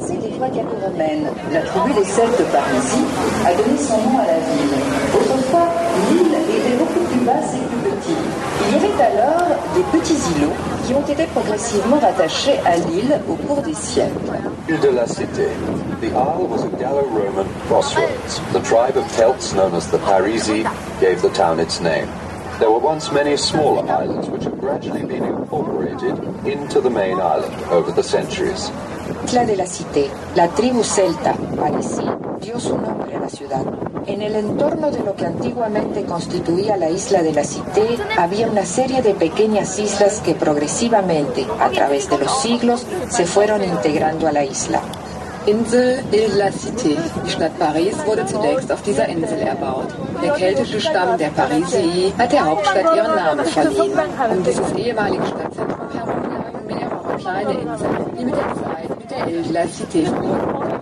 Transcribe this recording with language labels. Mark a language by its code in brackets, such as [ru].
[fr] La tribu des Celtes par ici a donné son nom à la ville. Autrefois, l'île était beaucoup plus basse et plus petite. Il y avait alors des petits îlots qui ont été progressivement rattachés à l'île au cours des siècles. Île de la Cité. [en] The isle was a Gallo-Roman crossroads. The tribe of Celts, known as the Parisii, gave the town its name. There were once many smaller islands which have gradually been incorporated into the main island over the centuries. [es] Isla de la Cité, la tribu celta, Parisii, dio su nombre a la ciudad. En el entorno de lo que antiguamente constituía la isla de la Cité, había una serie de pequeñas islas que progresivamente, a través de los siglos, se fueron integrando a la isla. [de] Insel de la Cité, die Stadt Paris, wurde zunächst auf dieser Insel erbaut. Der keltische Stamm der Parisii hat der Hauptstadt ihren Namen verliehen. Um dieses ehemalige Stadtzentrum herum lagen mehrere kleine Inseln, die mit der Zeit mit der Île de la Cité wurden.